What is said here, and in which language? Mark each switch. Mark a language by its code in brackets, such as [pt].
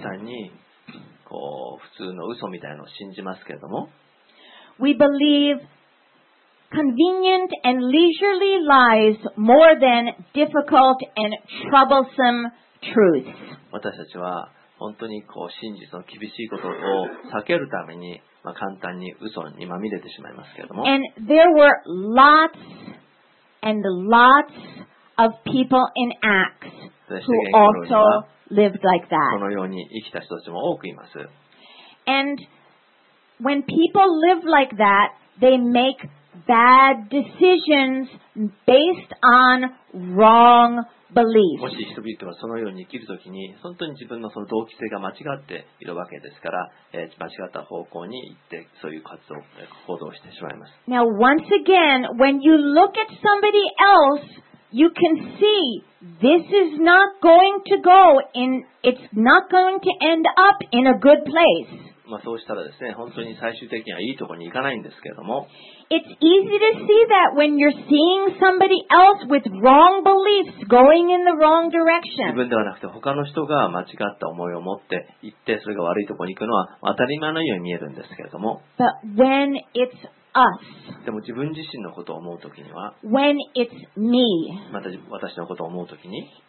[ja] 簡単にこう普通の嘘みたいなのを信じますけれども、 [en] we believe convenient and leisurely lies more than difficult and troublesome truths. [ja] 私たちは本当にこう真実の厳しいことを避けるためにまあ簡単に嘘にまみれてしまいますけれども。 [en] And there were lots and lots of people in Acts who also lived like that. [ja] このように生きた人たちも多くいます。 [en] And when people live like that, they make bad decisions based on wrong beliefs. [ja] もし人々がそのように生きるときに本当に自分のその動機性が間違っているわけですから、間違った方向に行ってそういう活動行動してしまいます。 [en] Now once again, when you look at somebody else, you can see this is not going to go in. It's not going to end up in a good place. [ja] まあそうしたらですね、本当に最終的にはいいところに行かないんですけれども。 [en] It's easy to see that when you're seeing somebody else with wrong beliefs going in the wrong direction. [ja] 自分ではなくて他の人が間違った思いを持って行ってそれが悪いところに行くのは当たり前のように見えるんですけれども。 [en] But when it's us, [ja] でも自分自身のことを思うときには、 [en] when it's me, [ja] また私のことを思うときに、